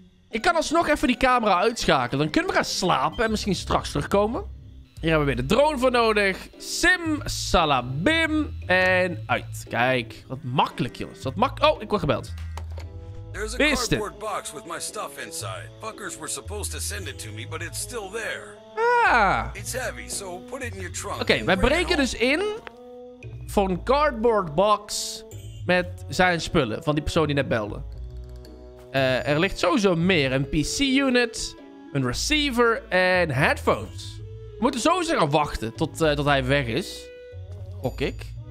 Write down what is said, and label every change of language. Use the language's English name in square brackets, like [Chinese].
[Dutch] Ik kan alsnog even die camera uitschakelen. Dan kunnen we gaan slapen en misschien straks terugkomen. Hier hebben we weer de drone voor nodig. Sim, salabim. En uit. Kijk, wat makkelijk, jongens. Wat makkelijk. Oh, ik word gebeld. Er is een cardboard box met mijn [English] stuff inside. Fuckers were supposed to send it to me, but it's still there. Ah. It's heavy, so put it in your trunk. [Dutch] Oké, wij breken dus in voor een cardboard box met zijn spullen van die persoon die net belde. Er ligt sowieso meer. Een PC-unit, een receiver en headphones. We moeten sowieso gaan wachten tot hij weg is. Gok ik.